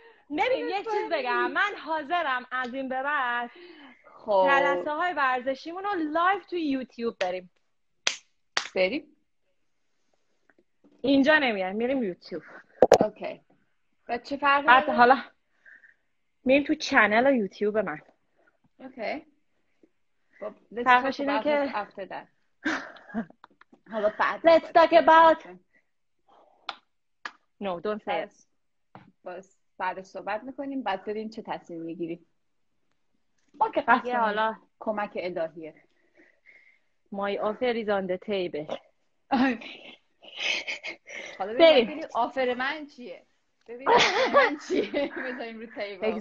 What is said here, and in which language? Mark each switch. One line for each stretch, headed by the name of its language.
Persian: ببین یک چیز بگم، من حاضرم از این به بعد جلسه های ورزشیمون رو لایف تو یوتیوب بریم اینجا نمیاد میریم یوتیوب. اوکی و چه فرق داره؟ حالا میریم تو چنل یوتیوب من. اوکی فرقش اینه که
English: After در Let's talk about. No, don't say it.
Persian: باز بعدش صحبت میکنیم، بعد ببینیم چه تصمیم میگیریم. ما که قصد حالا کمک الهیه.
English: My offer is on the table.
Persian: حالا ببینیم آفر من چیه، ببینیم من چیه بذاریم رو تیبل.